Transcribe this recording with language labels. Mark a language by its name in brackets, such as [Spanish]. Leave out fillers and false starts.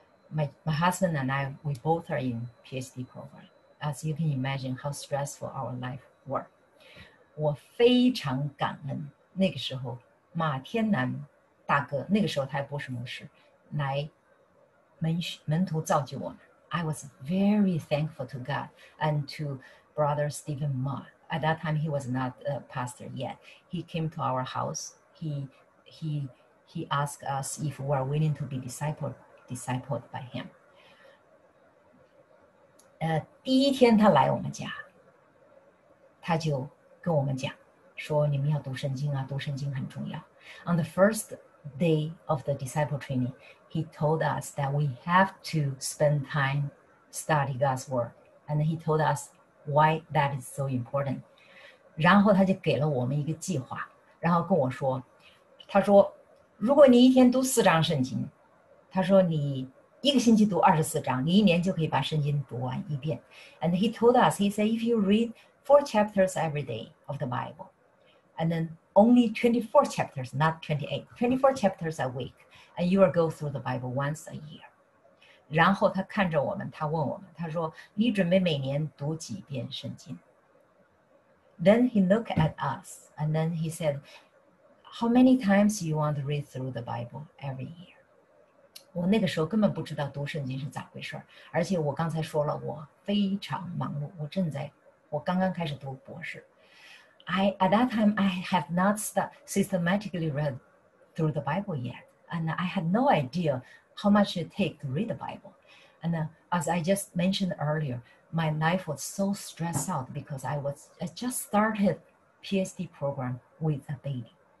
[English] My husband and I, we both are in PhD program. As you can imagine, how stressful our life were. [Chinese] 我非常感恩那个时候马天南大哥，那个时候他还不是牧师，来门徒造就我。 [English] I was very thankful to God and to Brother Stephen Ma. At that time, he was not a pastor yet. He came to our house. He asked us if we are willing to be discipled by him. [Chinese] 第一天他来我们家，他就跟我们讲说你们要读圣经啊，读圣经很重要。 [English] On the first day of the disciple training, he told us that we have to spend time study God's word. And he told us why that is so important. [Chinese] 然后他就给了我们一个计划，然后跟我说，他说如果你一天读四章圣经，他说你一个星期读24章，你一年就可以把圣经读完一遍。 [English] And he told us, he said, if you read 4 chapters every day of the Bible, and then only 24 chapters, not 28, 24 chapters a week, and you will go through the Bible once a year. [Chinese] 然后他看着我们，他问我们，他说你准备每年读几遍圣经？ [English] Then he looked at us, and then he said,How many times you want to read through the Bible every year? [Chinese] 我那个时候根本不知道读圣经是咋回事，而且我刚才说了，我非常忙碌，我刚刚开始读博士。 [English] At that time, I have not systematically read through the Bible yet. And I had no idea how much it takes to read the Bible. And as I just mentioned earlier, my life was so stressed out because I just started PhD program with a baby.